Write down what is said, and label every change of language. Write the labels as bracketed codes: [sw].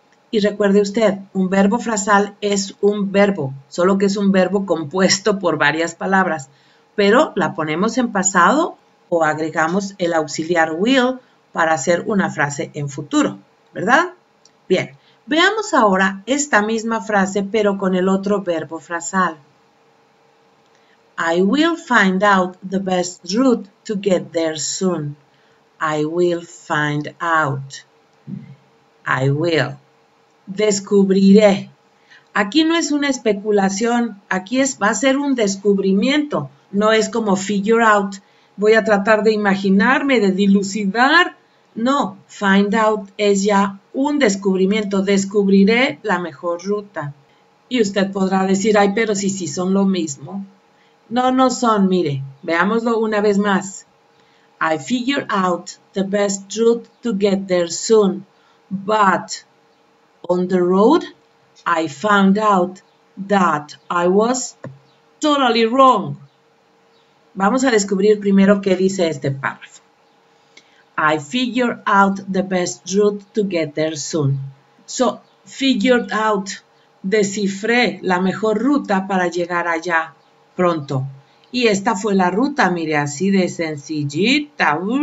[es] Y recuerde usted, un verbo frasal es un verbo, solo que es un verbo compuesto por varias palabras, pero la ponemos en pasado o agregamos el auxiliar will para hacer una frase en futuro, ¿verdad? Bien, veamos ahora esta misma frase, pero con el otro verbo frasal. [en] I will find out the best route to get there soon. I will find out. I will. [es] Descubriré. Aquí no es una especulación, aquí es va a ser un descubrimiento. No es como figure out. Voy a tratar de imaginarme, de dilucidar. No, find out es ya un descubrimiento. Descubriré la mejor ruta. Y usted podrá decir, ay, pero sí, son lo mismo. No, no son, mire, veámoslo una vez más. [en] I figure out the best route to get there soon, but on the road I found out that I was totally wrong. [es] Vamos a descubrir primero qué dice este párrafo. [en] I figure out the best route to get there soon. So, figured out, [es] descifré la mejor ruta para llegar allá pronto. Y esta fue la ruta, mire, así de sencillita.